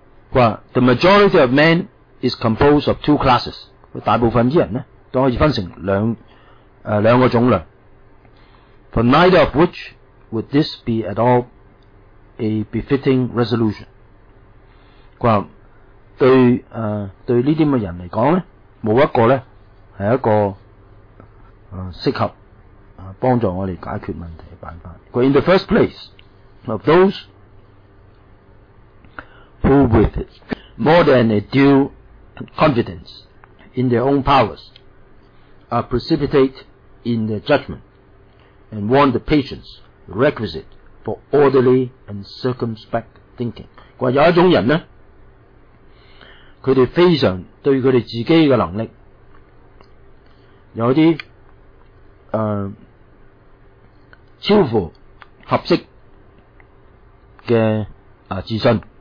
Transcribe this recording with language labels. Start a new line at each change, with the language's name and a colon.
English: 话 the majority of men is composed of two classes。
Cantonese: 大部分啲人咧都可以分成两个种类。
English: For neither of which would this be at all a befitting resolution。
Cantonese: 话对呢啲嘅人嚟讲咧，冇一个咧系一个适合帮助我哋解决问题嘅办法。
English: 佢 in the first place of those who with more than a due confidence in their own powers are precipitate in their judgment and want the patience requisite for orderly and circumspect thinking。
Cantonese: 话有一种人咧，佢哋非常对佢哋自己嘅能力有啲超乎合适嘅自信。